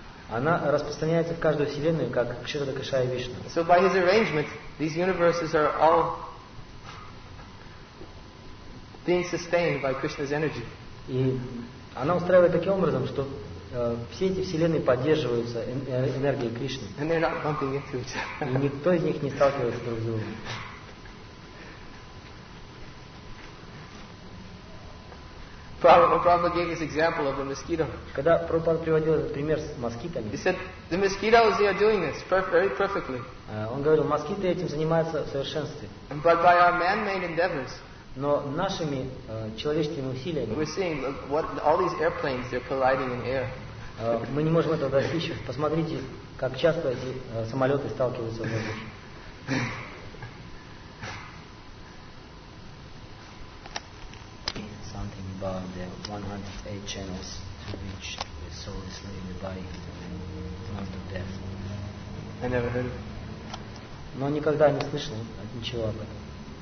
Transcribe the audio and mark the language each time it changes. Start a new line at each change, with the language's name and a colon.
Russian: Она распространяется в каждую вселенную, как Кшира Дакшая Вишна.
English: So by his arrangement, these universes are all being sustained by Krishna's energy.
Russian: И она устраивает таким образом, что все эти вселенные поддерживаются энергией Кришны.
English: And they're not bumping into each other.
Russian: И никто из них не сталкивается друг с другом.
English: Prabhupada gave this example of the mosquito.
Russian: Когда Прабхупада приводил этот пример с москитами,
English: he said, the mosquitoes, they are doing this very perfectly.
Russian: Он говорил, москиты этим занимаются в совершенстве.
English: But by our man-made endeavors,
Russian: но нашими человеческими усилиями,
English: we're seeing what all these airplanes, they're colliding in air.
Russian: Мы не можем этого достичь. Посмотрите, как часто эти самолеты сталкиваются в воздухе.
English: The 108 channels to which the soul is leaving the body after death. I never heard.
Russian: Но никогда не слышал ничего об этом.